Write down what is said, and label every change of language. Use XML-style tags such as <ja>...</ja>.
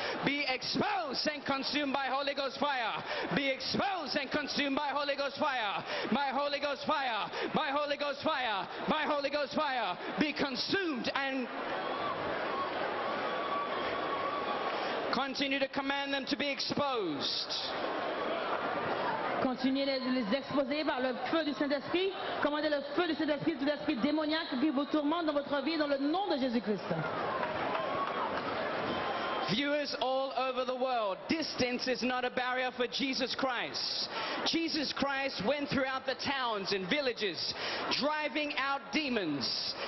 <en>Be exposed and consumed by Holy Ghost fire. Be exposed and consumed by Holy Ghost fire. By Holy Ghost fire. By Holy Ghost fire. By Holy Ghost fire. Be consumed and continue to command them to be exposed.</en> <fr>Continuez à les exposer par le feu du Saint-Esprit. Commandez le feu du Saint-Esprit, tout esprit démoniaque qui vous tourmente dans votre vie, dans le nom de Jésus-Christ.</fr> <en>Viewers all over the world, distance is not a barrier for Jesus Christ. Jesus Christ went throughout the towns and villages, driving out demons.</en>